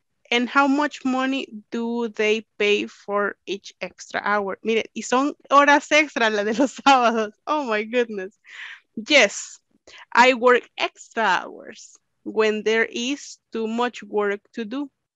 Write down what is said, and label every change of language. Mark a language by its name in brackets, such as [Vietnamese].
[English] And how much money do they pay for each extra hour? [Spanish] Mire, y son horas extra las de los sábados. [English] Oh my goodness. Yes, I work extra hours when there is too much work to do.